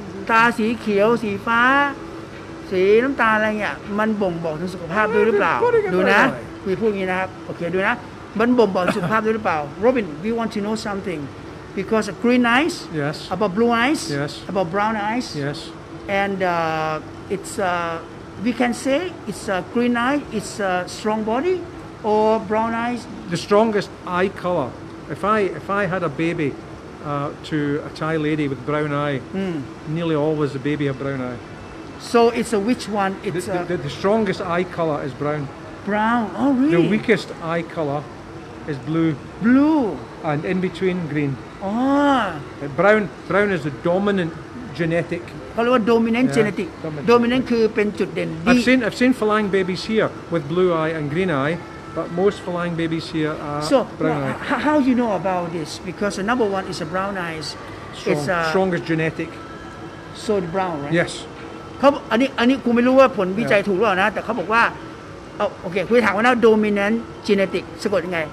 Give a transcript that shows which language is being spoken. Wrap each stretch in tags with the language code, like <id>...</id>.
<th>ตาสีเขียวสีฟ้าสีน้ำตาลอะไรเงี้ยมันบ่งบอกถึงสุขภาพด้วยหรือเปล่าดูนะคุยพูดงี้นะครับโอเคดูนะมันบ่งบอกสุขภาพด้วยหรือเปล่า</th> <en>Robin we want to know something because a green eyes yes about blue eyes yes about brown eyes yes and it's we can say it's a green eye it's a strong bodyOr brown eyes? The strongest eye color. If I had a baby to a Thai lady with brown eye, nearly always the baby have brown eye. So it's a which one? It's the strongest eye color is brown. Brown. Oh, really? The weakest eye color is blue. Blue. And in between, green. Ah. Brown. Brown is the dominant genetic.</en> <th>เขาเรียกว่า dominant genetic dominant คือเป็นจุดเด่น</th> <en>I've seen flying babies here with blue eye and green eye. But most flying babies here are so, brown eyes. So, how do you know about this? Because the number one is a brown eyes. It's a strongest genetic. So the brown, right? Yes.</en> <th>เขาอันนี้ครูไม่รู้ว่าผลวิจัยถูกหรือเปล่านะแต่เขาบอกว่าโอเคคุณถามว่าน่า dominant genetic สะกดยังไง</th>